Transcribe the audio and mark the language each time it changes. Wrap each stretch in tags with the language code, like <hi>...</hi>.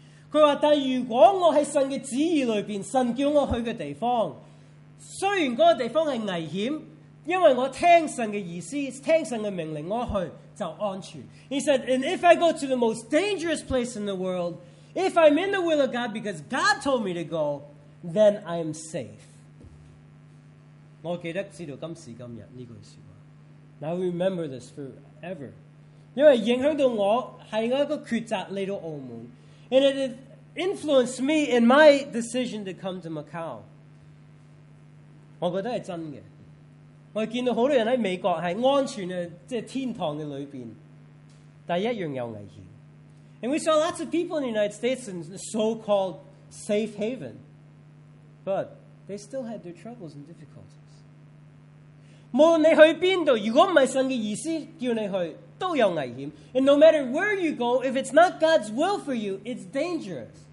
<yue>佢话：但如果我喺神嘅旨意里边，神叫我去嘅地方，虽然嗰个地方系危险，因为我听神嘅意思，听神嘅命令，我去就安全。</yue> <en>He said, and if I go to the most dangerous place in the world, if I'm in the will of God because God told me to go, then I am safe.</en> <yue>我记得直到今时今日呢句说话。</yue> <en>Now I remember this forever,</en> <yue>因为影响到我系我一个抉择嚟到澳门。</yue> <en>And it influenced me in my decision to come to Macau.</en> <yue>我覺得係真嘅。我見到好多人喺美國係安全嘅，即係天堂嘅裏邊，但係一樣有危險。</yue> <en>And we saw lots of people in the United States in the so-called safe haven. But they still had their troubles and difficulties.</en> <yue>無論你去邊度，如果唔係神嘅意思叫你去，都有危險.</yue> <en>And no matter where you go, if it's not God's will for you, it's dangerous.</en>